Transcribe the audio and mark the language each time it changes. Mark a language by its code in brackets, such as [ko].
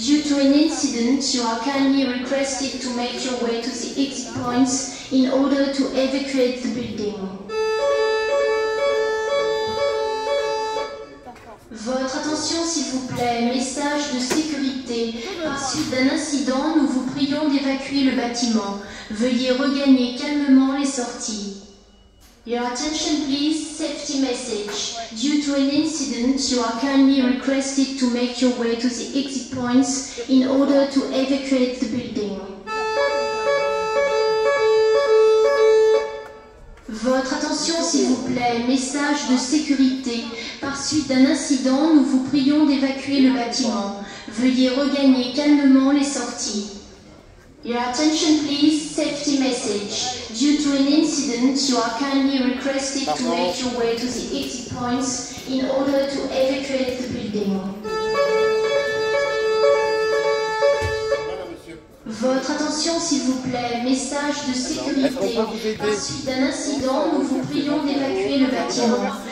[en] Due to an incident, you are kindly requested to make your way to the exit points in order to evacuate the building. [fr] Votre attention s'il vous plaît, message de sécurité. Par suite d'un incident, nous vous prions d'évacuer le bâtiment. Veuillez regagner calmement les sorties. [en] Your attention please, safety message. Due to an incident, you are kindly requested to make your way to the exit points in order to evacuate the building. [fr] Votre attention s'il vous plaît, message de sécurité. Par suite d'un incident, nous vous prions d'évacuer le bâtiment. Veuillez regagner calmement les sorties. [en] Your attention please, safety message. Due to an incident, you are kindly requested to make your way to the exit points in order to evacuate the building. [fr] Votre attention s'il vous plaît, message de sécurité. Par suite d'un incident, nous vous prions d'évacuer le bâtiment.